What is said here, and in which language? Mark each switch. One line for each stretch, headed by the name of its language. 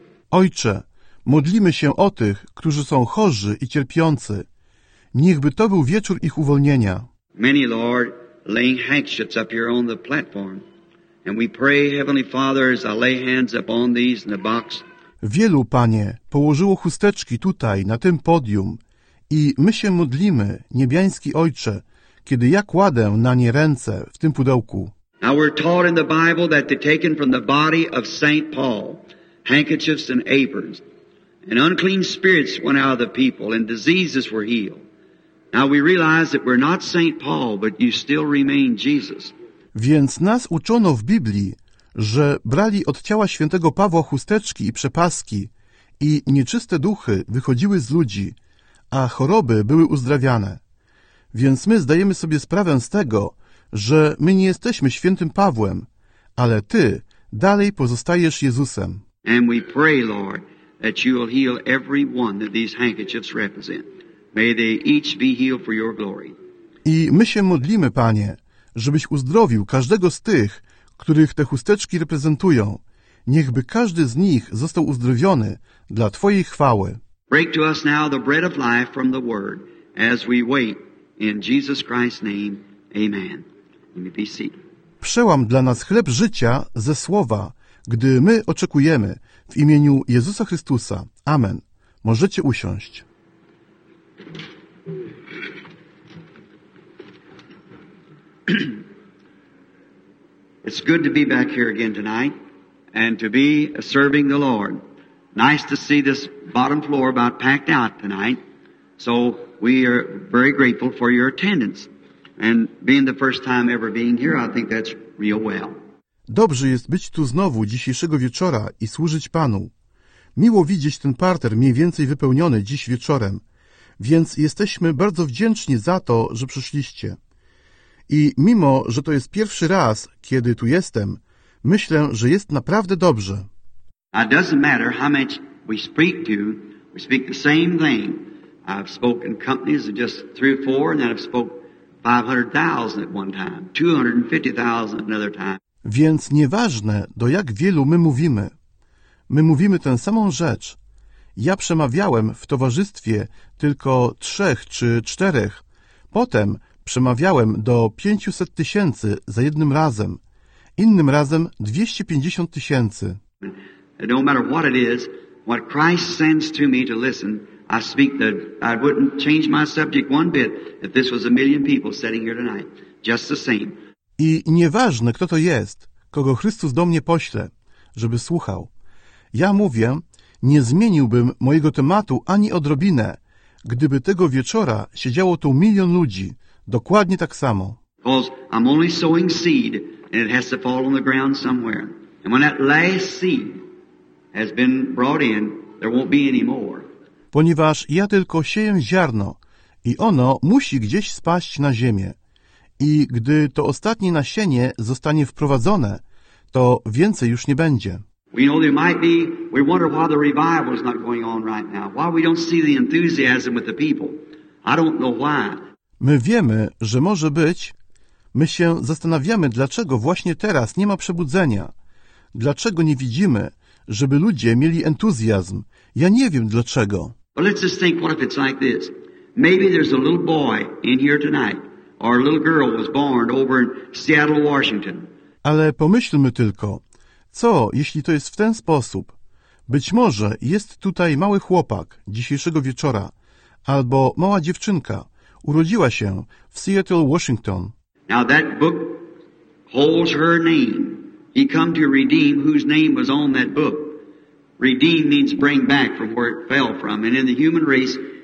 Polish: Ojcze, modlimy się o tych, którzy są chorzy i cierpiący. Niechby to był wieczór ich uwolnienia.
English: Many, Lord, laying handkerchiefs up here on the platform. And we pray, Heavenly Father, as I lay hands upon these in the box.
Polish: Wielu, Panie, położyło chusteczki tutaj, na tym podium. I my się modlimy, niebiański Ojcze, kiedy ja kładę na nie ręce w tym pudełku.
English: Now we're taught in the Bible that they're taken from the body of St. Paul, handkerchiefs and aprons. And unclean spirits went out of the people, and diseases were healed. Now we realize that we're not St. Paul, but you still remain Jesus.
Polish: Więc nas uczono w Biblii, że brali od ciała świętego Pawła chusteczki i przepaski i nieczyste duchy wychodziły z ludzi, a choroby były uzdrawiane. Więc my zdajemy sobie sprawę z tego, że my nie jesteśmy świętym Pawłem, ale Ty dalej pozostajesz Jezusem.
English: And we pray, Lord, that you will heal every one that these handkerchiefs represent. May they each be healed for your glory.
Polish: I my się modlimy, Panie, żebyś uzdrowił każdego z tych, których te chusteczki reprezentują. Niechby każdy z nich został uzdrowiony dla Twojej chwały.
English: Break to us now the bread of life from the word as we wait in Jesus Christ's name. Amen. Let me be seated.
Polish: Przełam dla nas chleb życia ze słowa, gdy my oczekujemy w imieniu Jezusa Chrystusa. Amen. Możecie usiąść.
English: It's good to be back here again tonight and to be serving the Lord. Nice to see this bottom floor about packed out tonight. So we are very grateful for your attendance. And being the first time ever being here, I think that's real well.
Polish: Dobrze jest być tu znowu dzisiejszego wieczora i służyć Panu. Miło widzieć ten parter mniej więcej wypełniony dziś wieczorem, więc jesteśmy bardzo wdzięczni za to, że przyszliście. I mimo, że to jest pierwszy raz, kiedy tu jestem, myślę, że jest naprawdę dobrze.
English: It doesn't matter how much we speak the same thing. I've spoken companies of just 3 or 4, and then I've spoken 500,000 at one time, 250,000 another time.
Polish: Więc nieważne, do jak wielu my mówimy tę samą rzecz. Ja przemawiałem w towarzystwie tylko 3 czy 4, potem przemawiałem do 500 tysięcy za jednym razem, innym razem 250 tysięcy.
English: No matter what it is, what Christ sends to me to listen, I speak that I wouldn't change my subject one bit if this was 1 million people sitting here tonight, just the same.
Polish: I nieważne, kto to jest, kogo Chrystus do mnie pośle, żeby słuchał. Ja mówię, nie zmieniłbym mojego tematu ani odrobinę, gdyby tego wieczora siedziało tu 1 milion ludzi, dokładnie tak samo.
English: Because I'm only sowing seed, and it has to fall on the ground somewhere. And when that last seed has been brought in, there won't be any more.
Polish: Ponieważ ja tylko sieję ziarno i ono musi gdzieś spaść na ziemię. I gdy to ostatnie nasienie zostanie wprowadzone, to więcej już nie będzie.
English: We know there might be, we wonder why the revival is not going on right now. Why we don't see the enthusiasm with the people. I don't know why.
Polish: My wiemy, że może być, my się zastanawiamy, dlaczego właśnie teraz nie ma przebudzenia. Dlaczego nie widzimy, żeby ludzie mieli entuzjazm. Ja nie wiem dlaczego.
English: But let's just think, what if it's like this? Maybe there's a little boy in here tonight, or a little girl was born over in Seattle, Washington.
Polish: Ale pomyślmy tylko, co jeśli to jest w ten sposób? Być może jest tutaj mały chłopak dzisiejszego wieczora, albo mała dziewczynka urodziła się w Seattle, Washington.
English: Now that book holds her name. He come to redeem whose name was on that book. Redeem means bring back from where it fell from, and in the human race.